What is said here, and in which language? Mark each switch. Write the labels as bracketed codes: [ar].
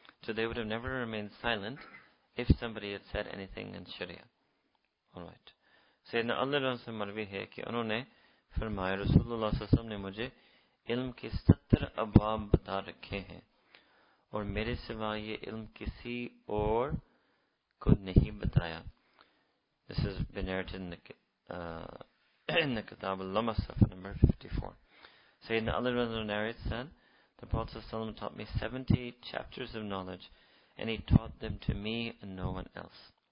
[en] So they would have never remained silent if somebody had said anything in Sharia. Alright. [ur] سیدنا علی رضی اللہ عنہ سے مروی ہے کہ انہوں نے فرمایا, رسول اللہ صلی اللہ علیہ وسلم نے مجھے علم کے 70 ابواب بتا رکھے ہیں اور میرے سوا یہ علم کسی اور کو نہیں بتایا. [en] This has been narrated in the Kitab al-Lama, Safa number 54. Sayyidina Ali narrates that the Prophet ﷺ taught me 70 chapters of knowledge and he taught them to me and no one else.